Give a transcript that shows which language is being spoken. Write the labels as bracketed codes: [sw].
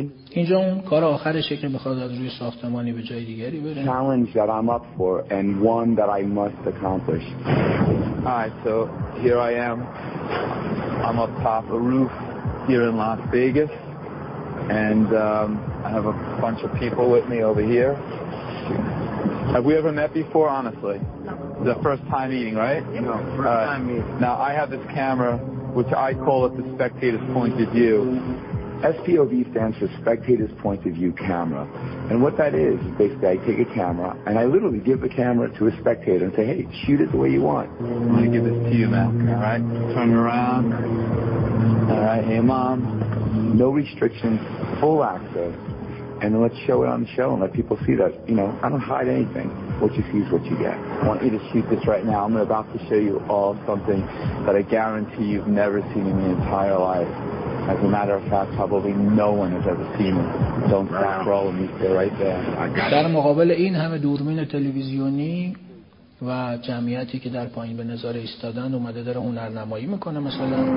[fa] اینجا اون کار آخرشه که میخواد از روی ساختمانی به جای دیگری بره. [en] Challenge that I'm up for and one that I must accomplish. Alright, so here I am. I'm up top a roof here in Las Vegas, and I have a bunch of people with me over here. Have we ever met before, honestly? No. The first time meeting, right? No, first time meeting. Now I have this camera, which I call it the spectator's point of view. SPOV stands for Spectator's Point of View Camera. And what that is basically I take a camera and I literally give the camera to a spectator and say, hey, shoot it the way you want. I'm going to give this to you, man. All right? Turn around. All right. Hey, Mom. No restrictions. Full access. And let's show it on the show and let people see that. You know, I don't hide anything. What you see is what you get. I want you to shoot this right now. I'm about to show you all something that I guarantee you've never seen in your entire life. As a matter of fact, probably no one has ever seen it. Don't stop rolling. Stay right there. [fa] در مقابل این همه دوربین تلویزیونی و جمعیتی که در پایین به نظاره ایستادن، اومده داره هنرنمایی میکنه مثلا.